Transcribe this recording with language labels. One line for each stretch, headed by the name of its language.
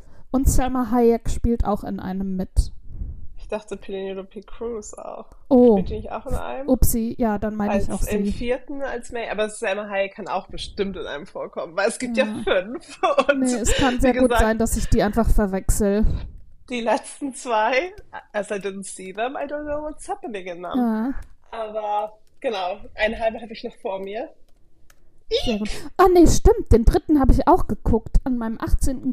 German: Und Selma Hayek spielt auch in einem mit. Ich dachte, Penelope Cruz auch. Oh. Spielt die nicht auch in einem? Upsi, ja, dann meine ich auch sie. Im vierten als May. Aber Selma Hayek kann auch bestimmt in einem vorkommen, weil es gibt ja 5. Und nee, es kann sehr gut sein, dass ich die einfach verwechsel. Die letzten 2,
English: as I didn't see them, I don't know what's happening in them.
German: Ja. Aber genau, 1,5 habe ich noch vor mir. Ah, nee, stimmt, den dritten habe ich auch geguckt. An meinem 18.